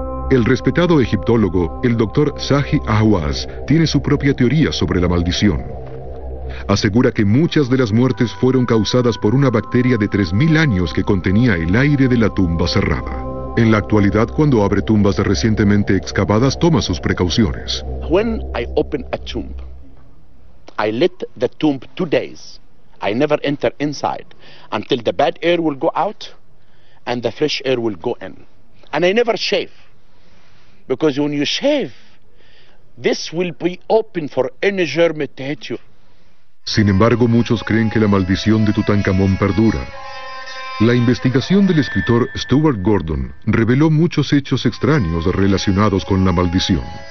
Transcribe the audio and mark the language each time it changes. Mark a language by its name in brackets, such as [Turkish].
[Spanish] El respetado egiptólogo, el doctor Zahi Ahwaz, tiene su propia teoría sobre la maldición. Asegura que muchas de las muertes fueron causadas por una bacteria de 3,000 años que contenía el aire de la tumba cerrada. En la actualidad, cuando abre tumbas recientemente excavadas, toma sus precauciones. [English] When I open a tomb, I let the tomb 2 days. I never enter inside until the bad air will go out and the fresh air will go in. And I never shave, because when you shave, this will be open for any germ to hit you. [Spanish] Sin embargo, muchos creen que la maldición de Tutankamón perdura. La investigación del escritor Stuart Gordon reveló muchos hechos extraños relacionados con la maldición.